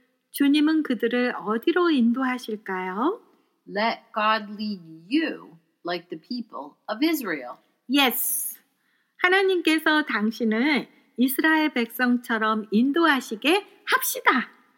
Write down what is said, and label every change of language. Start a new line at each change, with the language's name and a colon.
Korean: 주님은 그들을 어디로 인도하실까요?
English: Let God lead you like the people of Israel. Yes.
Korean: 하나님께서 당신을 이스라엘 백성처럼 인도하시게 합시다.